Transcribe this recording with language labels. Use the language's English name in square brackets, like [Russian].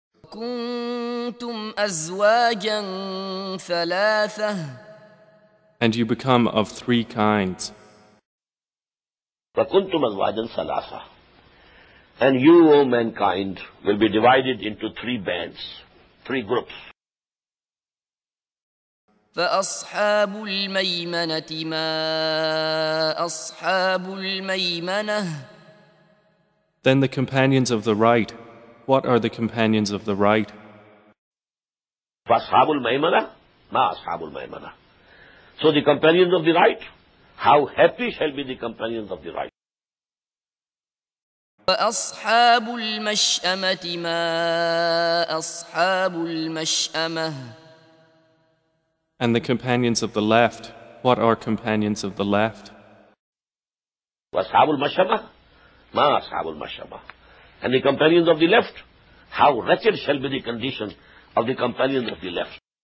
[Arabic] كُنْتُمْ أَزْوَاجًا ثَلَاثَةً. [English] And you become of three kinds. [Arabic] فَكُنْتُمْ أَزْوَاجًا ثَلَاثَةً. [English] And you, O mankind, will be divided into three bands, three groups. [Arabic] فأصحاب الميمنة ما أصحاب الميمنة. [English] Then the companions of the right, what are the companions of the right? [Arabic] فأصحاب الميمنة ما أصحاب الميمنة. [English] So the companions of the right, how happy shall be the companions of the right? [Arabic] فأصحاب المشأمة ما أصحاب المشأمة. [English] And the companions of the left, what are companions of the left? [Arabic] وَأَصْحَابُ الْمَشْأَمَةِ مَا أَصْحَابُ الْمَشْأَمَةِ. [English] And the companions of the left, how wretched shall be the condition of the companions of the left?